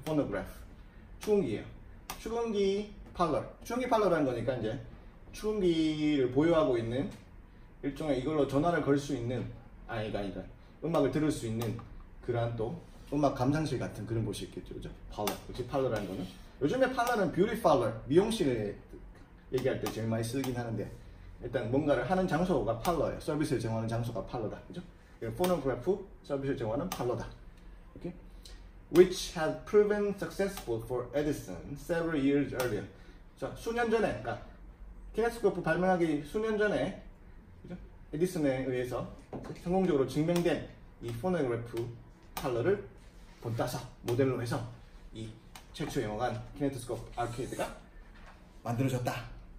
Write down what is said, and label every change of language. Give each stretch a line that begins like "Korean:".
Korean: 포노그래프 추운기예요. 추운기 팔러 추운기 팔러라는 거니까 이제 추운기를 보유하고 있는 일종의 이걸로 전화를 걸 수 있는 아니다 음악을 들을 수 있는 그러한 또 음악 감상실 같은 그런 곳이 있겠죠, 그죠? 팔러 그치? 팔러라는 거는 요즘에 팔러는 뷰티 팔러 미용실을 얘기할 때 제일 많이 쓰긴 하는데 일단 뭔가를 하는 장소가 팔러예요. 서비스를 제공하는 장소가 팔러다, 그죠? 포노그래프 서비스를 제공하는 팔러다.
English: Okay. Which had proven successful for Edison several years earlier.
Korean: 자, 수년 전에, 그러니까 테레스코프 발명하기 수년 전에 그죠? 에디슨에 의해서 성공적으로 증명된 이 포노그래프 팔러를 본따서 모델로 해서 이 최초의 영화관 키네토스코프 아케이드가 만들어졌다.